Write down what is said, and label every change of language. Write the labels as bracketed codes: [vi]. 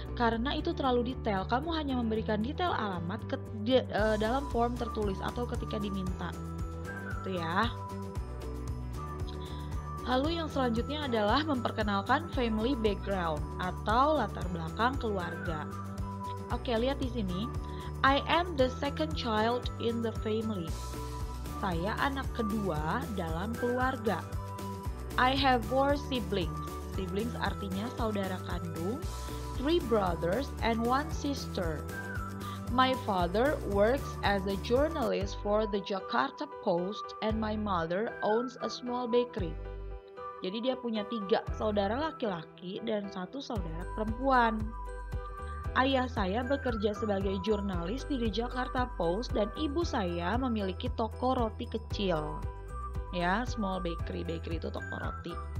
[id] Karena itu terlalu detail. Kamu hanya memberikan detail alamat dalam form tertulis atau ketika diminta. Itu ya. Lalu yang selanjutnya adalah memperkenalkan family background atau latar belakang keluarga. Oke, lihat di sini. [en] I am the second child in the family. [id] Saya anak kedua dalam keluarga. [en] I have four siblings. Siblings [id] artinya saudara kandung. [en] Three brothers and one sister. My father works as a journalist for the Jakarta Post and my mother owns a small bakery. [id] Jadi dia punya tiga saudara laki-laki dan satu saudara perempuan. Ayah saya bekerja sebagai jurnalis di The Jakarta Post dan ibu saya memiliki toko roti kecil. Ya, small bakery, bakery itu toko roti.